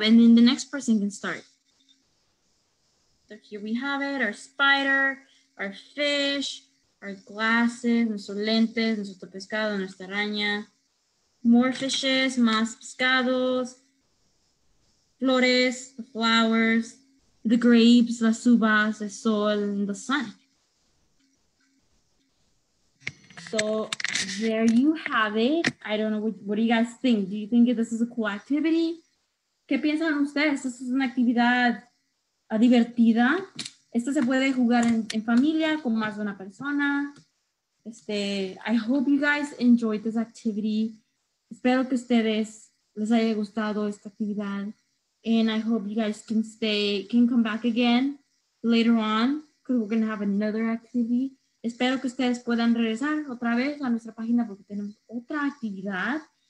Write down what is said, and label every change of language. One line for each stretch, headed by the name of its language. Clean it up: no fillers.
English: And then the next person can start. So here we have it, our spider, our fish, our glasses,
Spanish: nuestros lentes, nuestro pescado, nuestra araña,
English: more fishes,
Spanish: más pescados, flores,
English: the flowers, the grapes,
Spanish: las uvas,
English: the sol, and the sun. So there you have it. I don't know, what do you guys think? Do you think this is a cool activity?
Spanish: ¿Qué piensan ustedes? ¿Esta es una actividad divertida? ¿Esto se puede jugar en familia con más de una persona?
English: I hope you guys enjoyed this activity.
Spanish: Espero que ustedes les haya gustado esta actividad.
English: And I hope you guys can come back again later on, because we're going to have another activity.
Spanish: Espero que ustedes puedan regresar otra vez a nuestra página porque tenemos otra actividad.